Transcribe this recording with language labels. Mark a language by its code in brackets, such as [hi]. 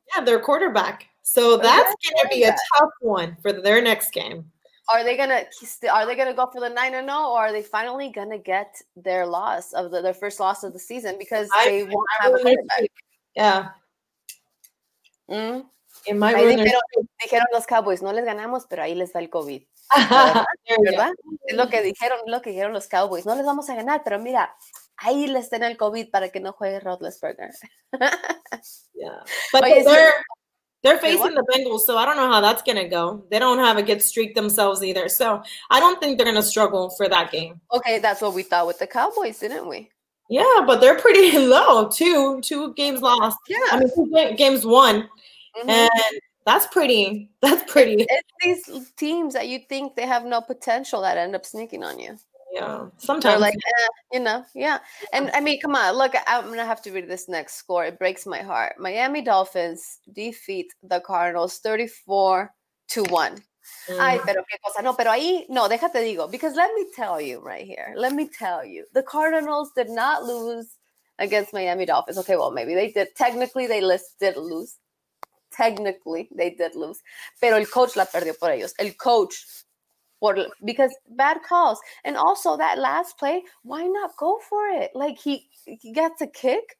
[en] Yeah, their quarterback. So that's going to be a tough one for their next game. Are they gonna go for the 9-0, or are they finally going to get their loss of their first loss of the season because they won't have a quarterback? Yeah. Mm-hmm. In my room, [es] dijeron los Cowboys, no les ganamos, pero ahí les va el COVID. ¿Verdad? Es lo que dijeron los Cowboys. No les vamos a ganar, pero mira, ahí les tiene el COVID para que no juegue Roethlisberger. [en] Yeah. But they're facing the Bengals, so I don't know how that's going to go. They don't have a good streak themselves either. So I don't think they're going to struggle for that game. Okay, that's what we thought with the Cowboys, didn't we? Yeah, but they're pretty low. Two games lost. Yeah. I mean, two games won. Mm-hmm. And that's pretty. It's these teams that you think they have no potential that end up sneaking on you. Yeah, sometimes. They're like, yeah. And I mean, come on, look, I'm going to have to read this next score. It breaks my heart. Miami Dolphins defeat the Cardinals 34-1. Mm-hmm. [es] Ay, pero qué cosa. No, pero ahí, no, déjate digo. [en] Because let me tell you right here. Let me tell you. The Cardinals did not lose against Miami Dolphins. Okay, well, maybe they did. Technically, they did lose. Technically, they did lose. [es] Pero el coach la perdió por ellos. El coach. [en] Because bad calls. And also, that last play, why not go for it? Like, he gets a kick.